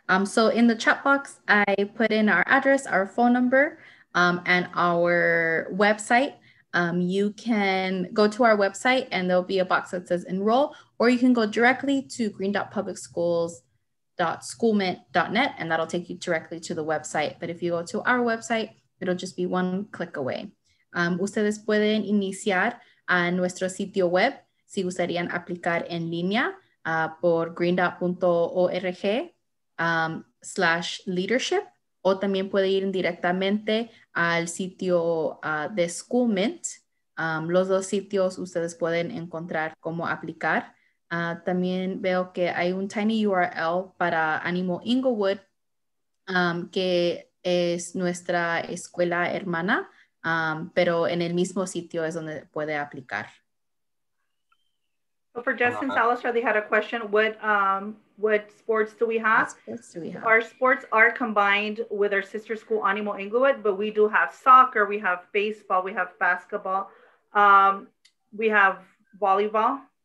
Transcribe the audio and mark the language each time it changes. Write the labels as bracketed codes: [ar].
[en] So in the chat box, I put in our address, our phone number, and our website. You can go to our website and there'll be a box that says enroll, or you can go directly to green.publicschools.schoolmint.net and that'll take you directly to the website. But if you go to our website, it'll just be one click away. [es] Ustedes pueden iniciar a nuestro sitio web si gustarían aplicar en línea. Por green.org slash leadership o también puede ir directamente al sitio de School Mint. Los dos sitios ustedes pueden encontrar cómo aplicar. También veo que hay un tiny URL para Animo Inglewood que es nuestra escuela hermana, pero en el mismo sitio es donde puede aplicar. [en] So for Justin Salazar, they had a question, what sports do we have? What sports do we have? Our sports are combined with our sister school, Animo Inglewood, but we do have soccer, we have baseball, we have basketball, we have volleyball.